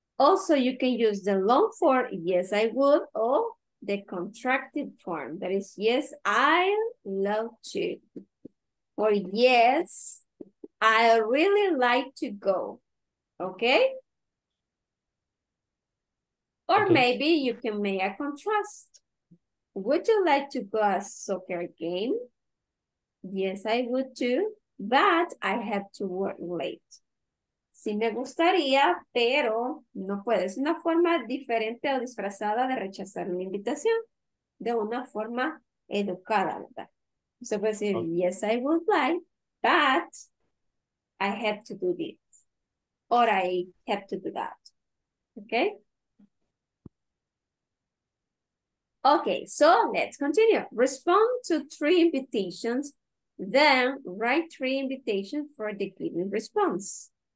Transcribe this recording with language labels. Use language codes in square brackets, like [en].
[en] Also, you can use the long form, yes, I would, or the contracted form, that is, yes, I love to, or yes, I really like to go, okay? Or okay. Maybe you can make a contrast. Would you like to go to a soccer game? Yes, I would too, but I have to work late. [es] Si me gustaría, pero no puedo. Es una forma diferente o disfrazada de rechazar una invitación de una forma educada, ¿verdad? Se puede decir, okay. [en] Yes, I would like, but I have to do this. Or I have to do that. Okay? Okay, so let's continue. Respond to three invitations, then write three invitations for the given response.